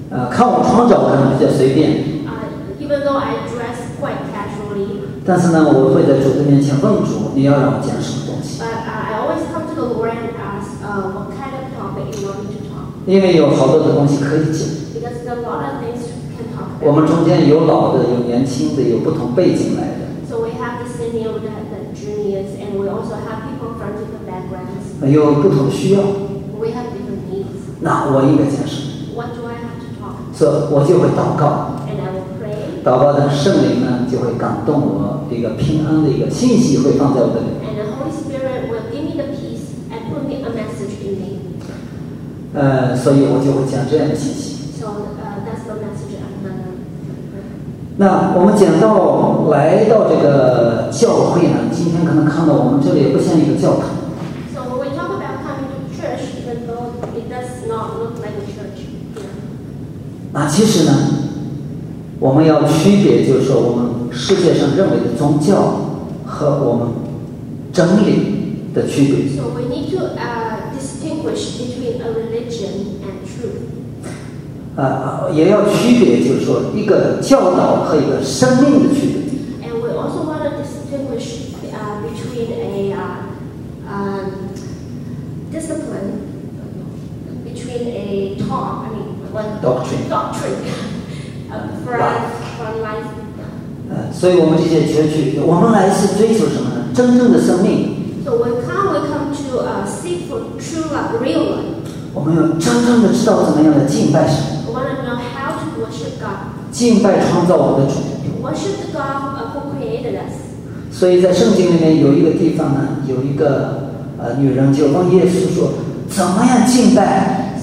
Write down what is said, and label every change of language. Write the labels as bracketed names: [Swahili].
[Chinese] 看我穿着可能比较随便。 [English] Even though I dress quite casually. [Chinese] 但是呢，我会在主的面前问主，你要让我讲什么东西？ [English] But, I always come to the Lord and ask, what kind of topic you want me to talk? [Chinese] 因为有好多的东西可以讲。 [English] Because there are a lot of things you can talk about. [Chinese] 我们中间有老的，有年轻的，有不同背景来的。 [English] So we have the senior, the juniors, and we also have people from different backgrounds. [Chinese] 有不同需要。 [English] We have different needs. [Chinese] 那我应该讲什么？ [English] What do I have to talk? [Chinese] 所以我就会祷告。祷告的圣灵呢，就会感动我，一个平安的一个信息会放在我的里。 [English] And the Holy Spirit will give me the peace and put me a message in me. [Chinese] 所以我就会讲这样的信息。 [English] So, that's the message I'm gonna. [Chinese] 那我们讲到来到这个教会呢，今天可能看到我们这里也不像一个教堂。 [English] So when we talk about coming to church, even though it does not look like a church. [Chinese] 那其实呢？我们要区别，就是说我们世界上认为的宗教和我们真理的区别。 [English] So we need to distinguish between a religion and truth. [Chinese] 也要区别，就是说一个教导和一个生命的区别。 [English] And we also want to distinguish between a doctrine. From life. [Chinese] 所以我们这些学区，我们来是追求什么呢？真正的生命。 [English] So we come to seek for true love, real love. [Chinese] 我们要真正的知道怎么样的敬拜神。 [English] We want to know how to worship God. [Chinese] 敬拜创造我的主。 [English] Worship the God who created us. [Chinese] 所以在圣经里面有一个地方呢，有一个女人就问耶稣说，怎么样敬拜？